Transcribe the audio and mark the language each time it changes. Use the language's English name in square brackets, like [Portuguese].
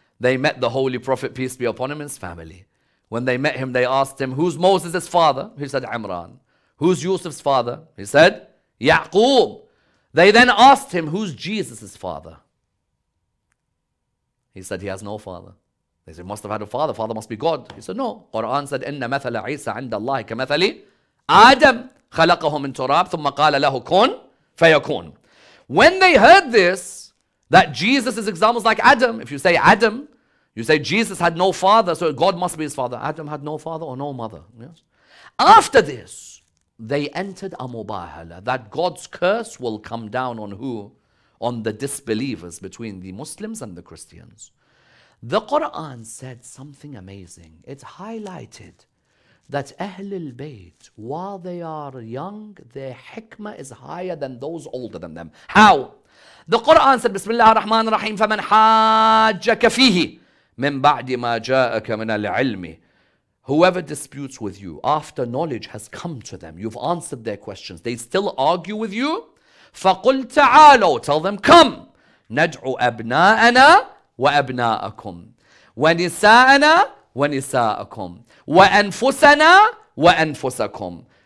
[English] They met the Holy Prophet, peace be upon him, and his family. When they met him, they asked him, who's Moses' father? He said, Imran. Who's Yusuf's father? He said, Ya'qub. They then asked him, who's Jesus' father? He said, he has no father. They said, he must have had a father. Father must be God. He said, no. [Arabic] Quran said, إِنَّ مَثَلَ عِيسَى عِنْدَ اللَّهِ كَمَثَلِ آدَمْ خَلَقَهُ مِنْ تُرَابْ ثُمَّ قَالَ لَهُ كُنْ فَيَكُونَ. [English] When they heard this, that Jesus' example is like Adam. If you say Adam, you say Jesus had no father, so God must be his father. Adam had no father or no mother. Yes. After this, they entered a mubahala that God's curse will come down on who? on the disbelievers between the Muslims and the Christians. The Quran said something amazing. It highlighted that Ahlul Bayt, while they are young, their hikmah is higher than those older than them. How? The Quran said, Bismillah ar-Rahman ar-Rahim, [Arabic] فَمَنْ حَاجَّكَ فِيهِ مِنْ بَعْدِ مَا جَاءَكَ مِنَ الْعِلْمِ. [English] Whoever disputes with you after knowledge has come to them, you've answered their questions, they still argue with you, [Arabic] فَقُلْ تَعَالَوْ, [English] tell them, come, [Arabic] نَدْعُ أَبْنَاءَنَا وَأَبْنَاءَكُمْ وَنِسَاءَنَا وَنِسَاءَكُمْ وَأَنفُسَنَا وَأَنفُسَكُمْ.